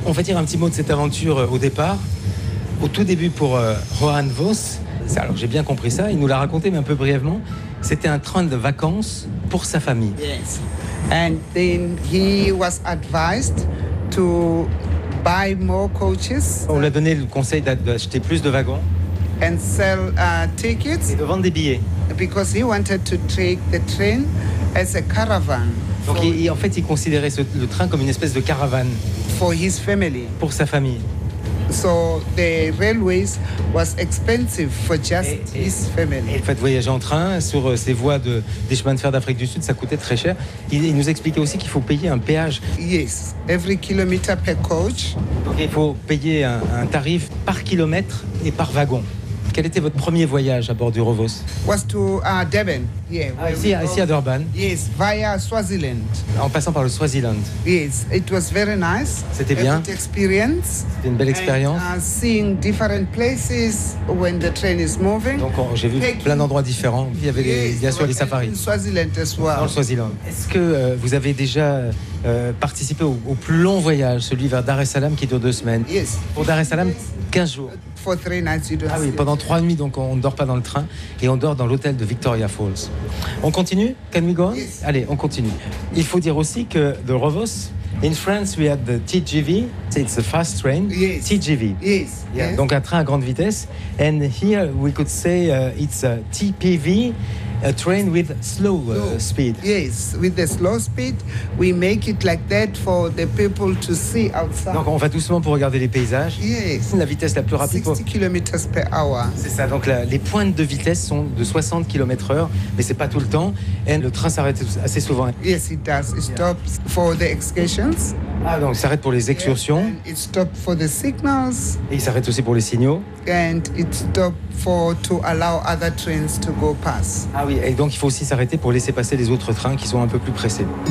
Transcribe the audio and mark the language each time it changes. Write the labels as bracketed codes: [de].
[fr] On va dire un petit mot de cette aventure au départ. Au tout début pour Johan Vos, alors j'ai bien compris ça, il nous l'a raconté, mais un peu brièvement, c'était un train de vacances pour sa famille. [en] Yes, and then he was advised to... Buy more coaches. [fr] On lui a donné le conseil d'acheter plus de wagons. [en] And sell tickets. [fr] Et de vendre des billets. [en] Because he wanted to take the train as a caravan. [fr] Donc il considérait le train comme une espèce de caravane. [en] For his family. [fr] Pour sa famille. [en] So the railways was expensive for just his family. [fr] En fait, voyager en train sur ces voies de des chemins de fer d'Afrique du Sud, ça coûtait très cher. Il nous expliquait aussi qu'il faut payer un péage. [en] Yes, every kilometer per coach. [fr] Il faut payer un tarif par kilomètre et par wagon. Quel était votre premier voyage à bord du Rovos? [en] Was to Durban. Yeah. [fr] Ici à Durban. [en] Yes, via Swaziland. [fr] En passant par le Swaziland. [en] Yes, it was very nice. [fr] C'était bien. [en] Good experience. [fr] C'était une belle expérience. [en] Seeing different places when the train is moving. [fr] Donc j'ai vu plein d'endroits différents. Il y avait bien sûr les safaris. [en] In Swaziland as well. [fr] Dans le Swaziland. Est-ce que vous avez déjà participé au plus long voyage, celui vers Dar es Salaam qui dure 2 semaines? [en] Yes. [fr] Pour Dar es Salaam, 15 jours. [en] For 3 nights, you don't sleep. [fr] Ah oui, pendant 3 nuits, donc on ne dort pas dans le train et on dort dans l'hôtel de Victoria Falls. On continue? [en] Can we go on? Yes. [fr] Allez, on continue. Il faut dire aussi que [en] the Rovos, in France, we had the TGV. It's a fast train. Yes. TGV. Yes. Yeah. Yes. [fr] Donc un train à grande vitesse. [en] And here we could say it's a TPV, a train with slow speed. Yes, with the slow speed, we make it like that for the people to see outside. [fr] Donc on va doucement pour regarder les paysages. [en] Yes. [fr] La vitesse la plus rapide. [en] 60 km per hour. [fr] C'est ça, donc les pointes de vitesse sont de 60 km heure, mais c'est pas tout le temps. Et le train s'arrête assez souvent. [en] Yes, it does. It stops for the excursions. [fr] Ah, donc il s'arrête pour les excursions. [en] And it stops for the signals. [fr] Et il s'arrête aussi pour les signaux. [en] And it stops to allow other trains to go past. [fr] Ah oui, et donc il faut aussi s'arrêter pour laisser passer les autres trains qui sont un peu plus pressés.